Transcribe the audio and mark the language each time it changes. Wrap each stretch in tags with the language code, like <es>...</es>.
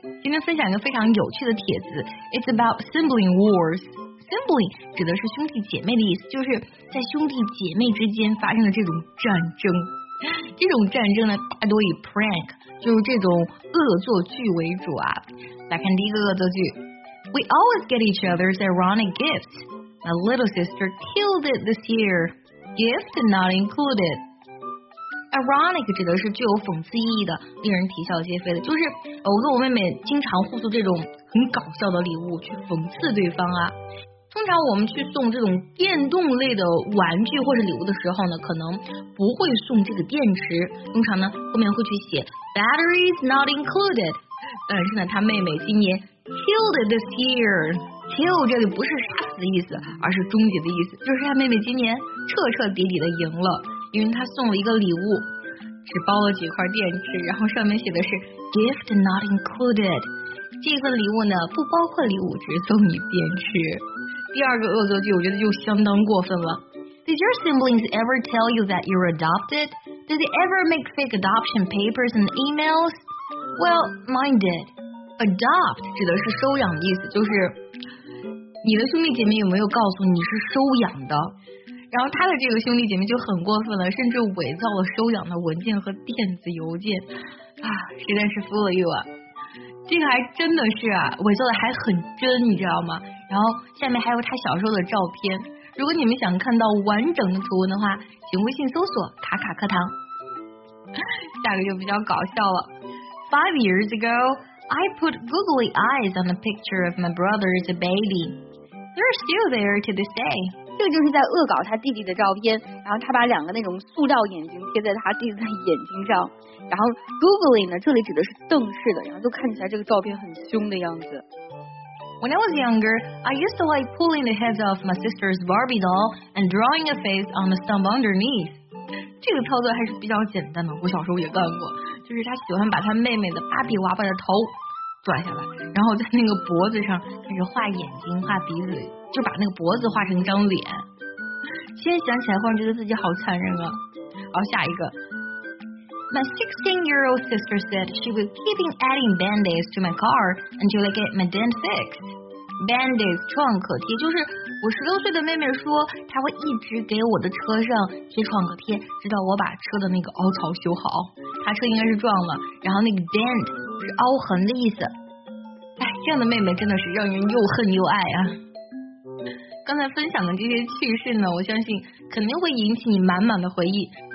<zh>今天分享一个非常有趣的帖子 ，</zh> <en>It's about sibling wars。</en> <zh>Sibling 指的是兄弟姐妹的意思，就是在兄弟姐妹之间发生的这种战争。这种战争呢，大多以 prank， 就是这种恶作剧为主啊。来看第一个恶作剧。</zh> <en>We always get each other's ironic gifts. My little sister killed it this year. Gift not included.</en> <zh>Ironic 指的是具有讽刺意义的，令人啼笑皆非的，就是我跟我妹妹经常互送这种很搞笑的礼物去讽刺对方啊。通常我们去送这种电动类的玩具或者礼物的时候呢，可能不会送这个电池，通常呢后面会去写</zh> <en>batteries not included。</en> <zh>但是呢，她妹妹今年。</zh> <en>Killed this year.</en> <zh>Kill 这里不是杀死的意思，而是终结的意思，就是他妹妹今年彻彻底底的赢了，因为他送了一个礼物，只包了几块电池，然后上面写的是</zh> <en>Gift not included.</en> <zh>这份礼物呢不包括礼物，只送你电池。第二个恶作剧我觉得就相当过分了。</zh> <en>Did your siblings ever tell you that you're adopted? Did they ever make fake adoption papers and emails? Well, mine did.</en> <zh>Adopt 指的是收养的意思，就是你的兄弟姐妹有没有告诉你是收养的，然后他的这个兄弟姐妹就很过分了，甚至伪造了收养的文件和电子邮件啊，实在是</zh> <en>fool you</en> <zh>啊，这个还真的是啊，伪造的还很真，你知道吗？然后下面还有他小时候的照片，如果你们想看到完整的图文的话，请微信搜索卡卡课堂。下个就比较搞笑了。</zh> <en>5 years agoI put googly eyes on a picture of my brother's baby. They're still there to this day.</en> <zh>这就是在恶搞他弟弟的照片，然后他把两个那种塑料眼睛贴在他弟弟的眼睛上，然后 googly 呢，这里指的是瞪视的，然后就看起来这个照片很凶的样子。</zh> <en>When I was younger, I used to like pulling the heads off my sister's Barbie doll and drawing a face on the stump underneath.</en> <zh>这个操作还是比较简单的，我小时候也干过，就是他喜欢把他妹妹的芭比娃娃的头转下来，然后在那个脖子上开始画眼睛画鼻子，就把那个脖子画成一张脸，现在想起来忽然觉得自己好残忍啊。好，下一个。</zh> <en>My 16-year-old sister said she was keeping adding band-aids to my car until I get my dent fixed.</en> <zh>Band-aids 创可贴，就是我16岁的妹妹说，她会一直给我的车上贴创可贴，直到我把车的那个凹槽修好。她车应该是撞了，然后那个 dent 是凹痕的意思。哎，这样的妹妹真的是让人又恨又爱啊！刚才分享的这些趣事呢，我相信肯定会引起你满满的回忆。</zh>